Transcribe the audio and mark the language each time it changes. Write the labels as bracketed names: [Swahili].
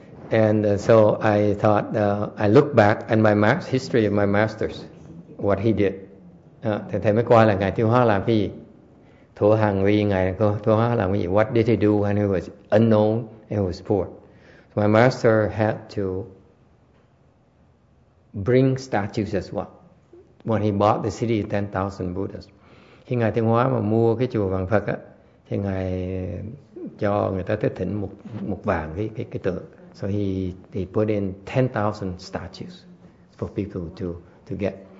[English] And so I thought, I look back at my history of my masters, what he did. [Vietnamese] Thầy mới coi là Ngài Thiêu Hóa làm cái gì? Thủ Hàng Huy, Ngài Thiêu Hóa làm cái gì? [English] What did he do when he was unknown and he was poor? So my master had to bring statues as well. When he bought the city of 10,000 Buddhas, [Vietnamese] khi Ngài Thiên Hóa mà mua cái chùa Vàng Phật á, thì Ngài cho người ta tới thỉnh một vàng cái tượng. [English] So he put in 10,000 statues for people to get.